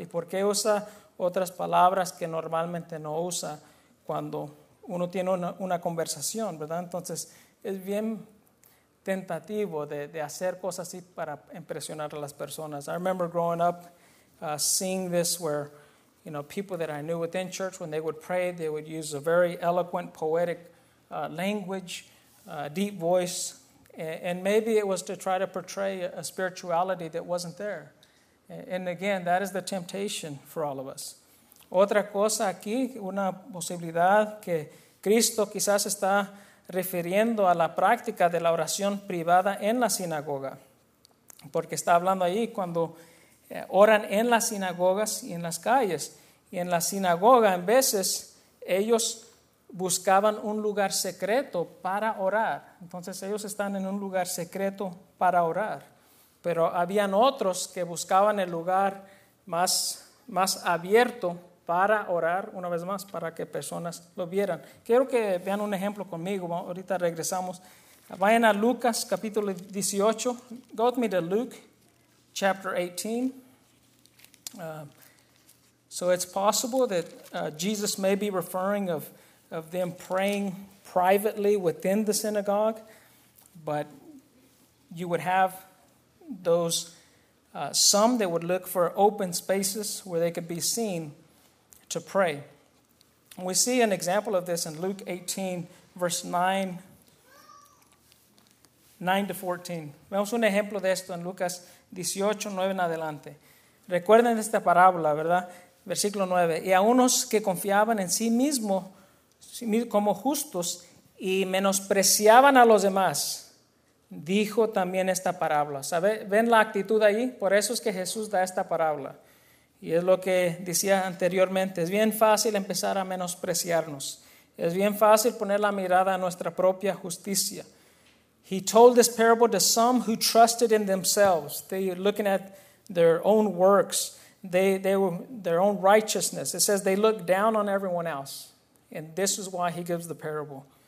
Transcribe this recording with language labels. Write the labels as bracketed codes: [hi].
[es] ¿Y por qué usa otras palabras que normalmente no usa cuando uno tiene una conversación, verdad? Entonces es bien tentativo de hacer cosas así para impresionar a las personas. [en] I remember growing up seeing this where, you know, people that I knew within church, when they would pray, they would use a very eloquent, poetic language, deep voice. And maybe it was to try to portray a spirituality that wasn't there. And again, that is the temptation for all of us. [es] Otra cosa aquí, una posibilidad que Cristo quizás está refiriendo a la práctica de la oración privada en la sinagoga. Porque está hablando ahí cuando oran en las sinagogas y en las calles. Y en la sinagoga, en veces, ellos buscaban un lugar secreto para orar. Entonces, ellos están en un lugar secreto para orar. Pero habían otros que buscaban el lugar más abierto para orar, una vez más, para que personas lo vieran. Quiero que vean un ejemplo conmigo. Ahorita regresamos. Vayan a Lucas, capítulo 18. [en] Go with me to Luke, chapter 18. So it's possible that Jesus may be referring of them praying privately within the synagogue, but you would have those some that would look for open spaces where they could be seen to pray. And we see an example of this in Luke 18, verse 9 to 14. [es] Vemos un ejemplo de esto en Lucas 18, 9 en adelante. Recuerden esta parábola, ¿verdad? Versículo 9, y a unos que confiaban en sí mismos como justos y menospreciaban a los demás, dijo también esta parábola. ¿Sabe? ¿Ven la actitud ahí? Por eso es que Jesús da esta parábola. Y es lo que decía anteriormente, es bien fácil empezar a menospreciarnos. Es bien fácil poner la mirada a nuestra propia justicia. [en] He told this parable to some who trusted in themselves. They're looking at their own works. They were their own righteousness. It says they look down on everyone else. And this is why he gives the parable.